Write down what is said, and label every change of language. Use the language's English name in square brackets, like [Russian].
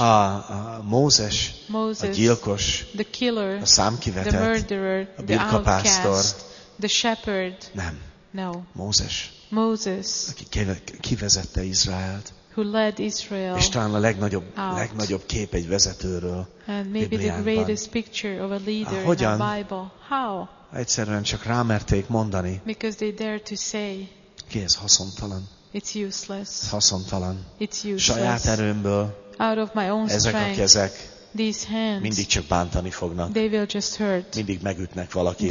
[Hungarian] A Mózes. [English] Moses. [Hungarian] A gyilkos. [English] The killer. [Hungarian] A számkivetett. [English] The murderer. [Hungarian] A birkapásztor. [English] The shepherd. [Hungarian] Nem. [English] No. [Hungarian] Mózes. [English] Moses. [Hungarian] Aki kivezette Izraelt. [English] Who led Israel? [Hungarian] És talán a legnagyobb kép egy vezetőről. [English] And maybe the greatest picture of a leader in the Bible. How? [Hungarian] Egyszerűen csak rámerték mondani. [English] Because they dare to say. [Hungarian] Ki ez haszontalan? [English] It's useless. [Hungarian] Haszontalan. [English] It's useless. [Hungarian] Saját erőmből. [English] Out of my own [Hungarian] ezek [English] strength. [Hungarian] Ezek a kezek. [English] These hands. [Hungarian] Mindig csak bántani fognak. [English] They will just hurt. [Hungarian] Mindig megütnek valakit.